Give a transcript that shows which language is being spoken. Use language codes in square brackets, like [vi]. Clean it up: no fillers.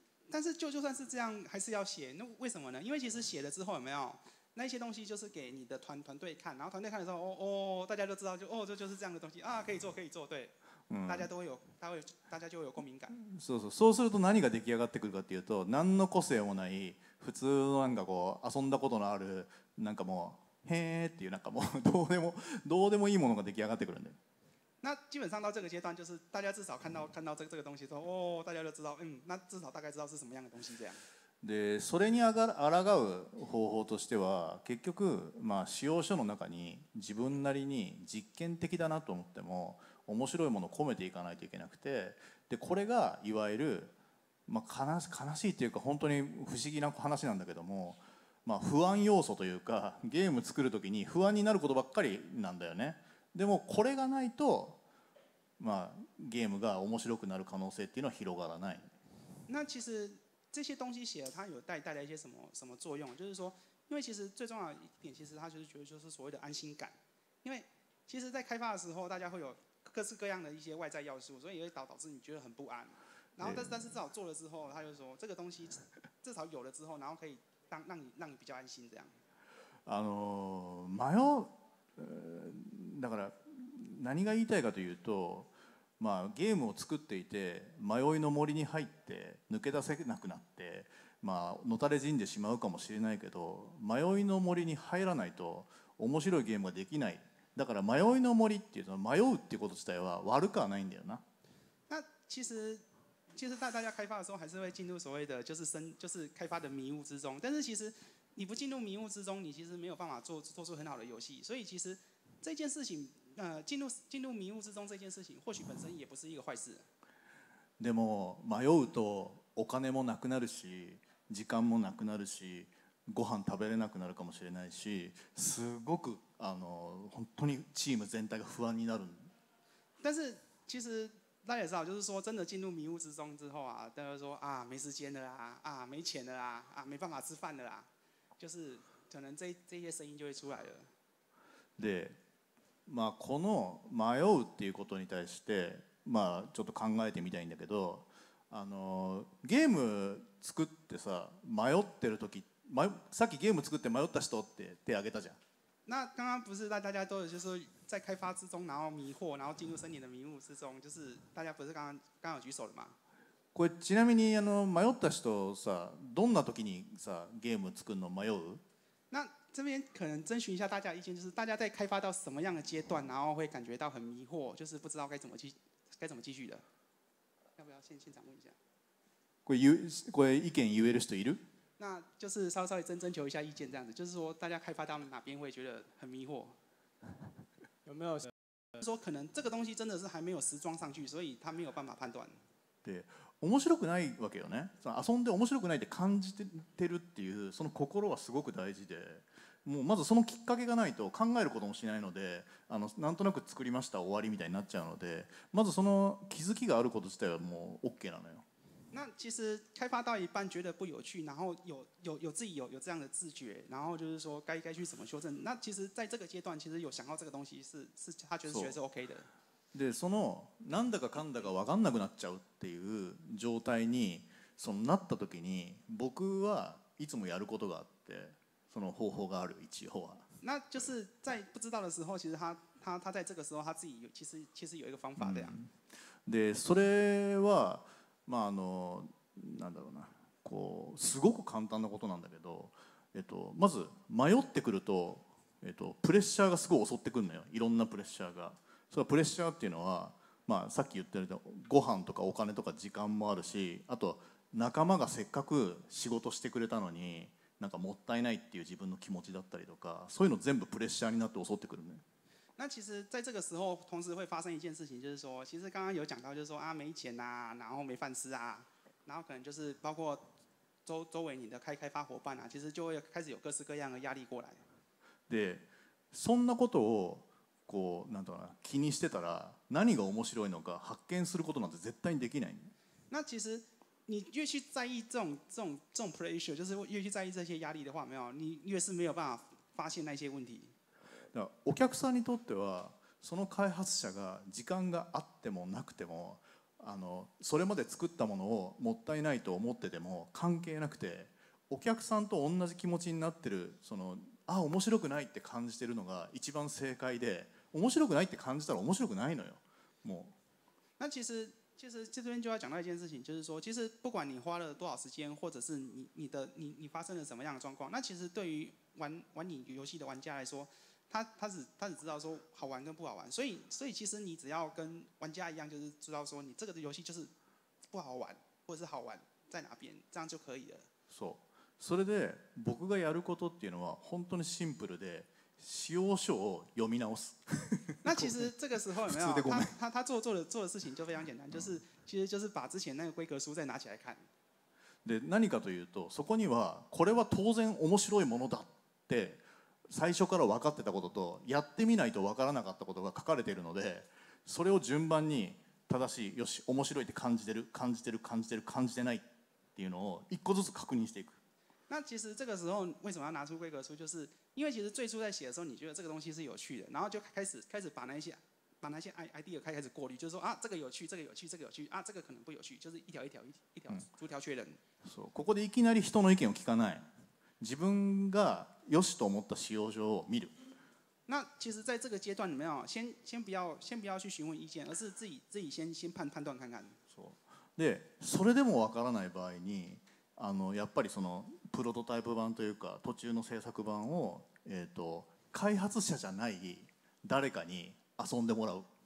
[zh] 但是 就算是这样还是要写。那为什么呢？因为其实写了之后有没有那些东西就是给你的团队看，然后团队看的时候，大家都知道，就是这样的东西啊，可以做，对，大家都会有，大家就会有共鸣感。 [ja] そうすると何が出来上がってくるかっていうと、何の個性もない普通のなんかこう遊んだことのあるなんかもうへーっていうなんかもうどうでもいいものが出来上がってくるんだよ。 [zh] 那基本上到这个阶段，就是大家至少看到这个东西之后，大家就知道，那至少大概知道是什么样的东西这样。 [ja] でそれにあがらがう方法としては結局、まあ、仕様書の中に自分なりに実験的だなと思っても面白いものを込めていかないといけなくて、でこれがいわゆる、まあ、悲しいというか本当に不思議な話なんだけども、まあ、不安要素というかゲーム作るときに不安になることばっかりなんだよね。でもこれがないと、まあ、ゲームが面白くなる可能性っていうのは広がらない。 [zh] 那其实这些东西写了它有带来一些什么作用，就是说因为其实最重要的一点其实它就是觉得就是所谓的安心感，因为其实在开发的时候大家会有各式各样的一些外在要素，所以也会导致你觉得很不安，然后但是至少做了之后他就说这个东西至少有了之后然后可以 让你比较安心这样。 [ja] 迷う、だから何が言いたいかというと、まあ、ゲームを作っていて迷いの森に入って抜け出せなくなって、まあ、のたれ死んでしまうかもしれないけど、迷いの森に入らないと面白いゲームができない。だから迷いの森っていうのは迷うっていうこと自体は悪くはないんだよな。 [zh] 那其实大家开发的时候还是会进入所谓的就是开发的迷雾之中，但是其实你不进入迷雾之中，你其实没有办法做出很好的游戏。所以其实这件事情，进入迷雾之中这件事情，或许本身也不是一个坏事。 [ja] でも迷うとお金もなくなるし、時間もなくなるし、ご飯食べれなくなるかもしれないし、すごく本当にチーム全体が不安になる。 [zh] 但是其实大家也知道，就是说真的进入迷雾之中之后啊，大家说啊没时间了啊，没钱了啊，没办法吃饭了啦，就是可能这些声音就会出来了。 [ja] で、まあこの迷うっていうことに対して、まあちょっと考えてみたいんだけど、ゲーム作ってさ迷ってる時、さっきゲーム作って迷った人って手挙げたじゃん。 [zh] 那刚刚不是大家都有就是在开发之中然后迷惑然后进入森林的迷雾之中，就是大家不是刚刚有举手了吗？ [ja] これちなみに迷った人さどんな時にさゲーム作るの迷う？ [zh] 那这边可能征询一下大家意见，就是大家在开发到什么样的阶段，然后会感觉到很迷惑，就是不知道该怎么继续的？要不要现场问一下？ [ja] これ意見言える人いる？ [zh] 那就是稍微征求一下意见，这样子，就是说大家开发到哪边会觉得很迷惑，有没有？就是说可能这个东西真的是还没有实装上去，所以他没有办法判断。 [ja] 对，面白くないわけよね。その遊んで面白くないって感じてるっていうその心はすごく大事で、もうまずそのきっかけがないと考えることもしないので、なんとなく作りました終わりみたいになっちゃうので、まずその気づきがあること自体はもう OK なのよ。 [zh] 那其实开发到一半觉得不有趣，然后 有自己有这样的自觉，然后就是说该去怎么修正。那其实在这个阶段，其实有想到这个东西是他觉得是 OK 的。 [ja] で、そのなんだかかんだか分かんなくなっちゃうっていう状態にそのなった時に、僕はいつもやることがあって、その方法がある一応は。 [zh] 那就是在不知道的时候，其实他在这个时候他自己有其实有一个方法的呀。 [ja] で、それは。まあ、なんだろうな、こうすごく簡単なことなんだけど、まず迷ってくると、プレッシャーがすごい襲ってくるのよ。いろんなプレッシャーが。そのプレッシャーっていうのは、まあ、さっき言ったようにご飯とかお金とか時間もあるし、あと仲間がせっかく仕事してくれたのになんかもったいないっていう自分の気持ちだったりとか、そういうの全部プレッシャーになって襲ってくるのよ。 [zh] 那其实在这个时候同时会发生一件事情，就是说其实刚刚有讲到，就是说啊没钱啊，然后没饭吃啊，然后可能就是包括 周围你的开发伙伴啊，其实就会开始有各式各样的压力过来。 [ja] でそんなことをこうなんとか気にしてたら何が面白いのか発見することなんて絶対にできない。 [zh] 那其实你越去在意这种 pressure， 就是越去在意这些压力的话，没有，你越是没有办法发现那些问题。 [ja] お客さんにとってはその開発者が時間があってもなくてもそれまで作ったものをもったいないと思ってても関係なくて、お客さんと同じ気持ちになってる、そのあ面白くないって感じてるのが一番正解で、面白くないって感じたら面白くないのよ。もう [zh] 那其实这边就要讲到一件事情，就是说其实不管你花了多少时间，或者是 你发生了什么样的状况，那其实对于 玩你游戏的玩家来说，他只知道说好玩跟不好玩，所以其实你只要跟玩家一样，就是知道说你这个游戏就是不好玩或者是好玩，在哪边，这样就可以了。 [ja] そう。それで僕がやることっていうのは本当にシンプルで、使用書を読み直す。 [zh] 那其实这个时候有没有他做的事情就非常简单，就是其实就是把之前那个规格书再拿起来看。 [ja] で何かというと、そこにはこれは当然面白いものだって最初から分かってたことと、やってみないと分からなかったことが書かれているので、それを順番に正しい、よし面白いって感じてないっていうのを一個ずつ確認していく。 [zh] 那其实这个时候为什么要拿出规格书，就是因为其实最初在写的时候你觉得这个东西是有趣的，然后就开始把那些 idea 开始过滤，就是说啊这个有趣，这个有趣，这个有趣，啊这个可能不有趣，就是一条一条一条逐条确认。 [ja] そう、ここでいきなり人の意見を聞かない。自分が良しと思った使用書を見る。 [zh] 那其实在这个阶段里面啊，先不要去询问意见，而是自己 先判断看看。 [ja] そう。で、それでもわからない場合に、あのやっぱりそのプロトタイプ版というか途中の制作版を、開発者じゃない誰かに遊んでもらう。